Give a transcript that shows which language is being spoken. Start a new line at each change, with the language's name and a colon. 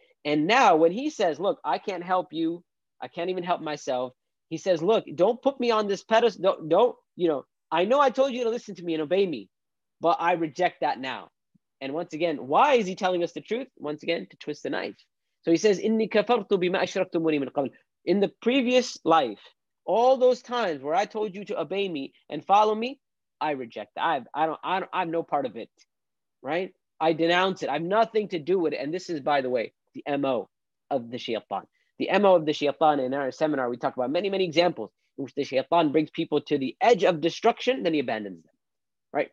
English: And now when he says, look, I can't help you. I can't even help myself. He says, look, don't put me on this pedestal. Don't, I know I told you to listen to me and obey me, but I reject that now. And once again, why is he telling us the truth? Once again, to twist the knife. So he says,
Arabic: إِنِّي كَفَرْتُ بِمَا أَشْرَكْتُمُونِي مِنْ قَبْلِ.
English: In the previous life, all those times where I told you to obey me and follow me, I reject that. I'm no part of it, right? I denounce it. I have nothing to do with it. And this is, by the way, the MO of the shaytan. The MO of the shaytan, in our seminar, we talk about many, many examples in which the shaytan brings people to the edge of destruction, then he abandons them, right?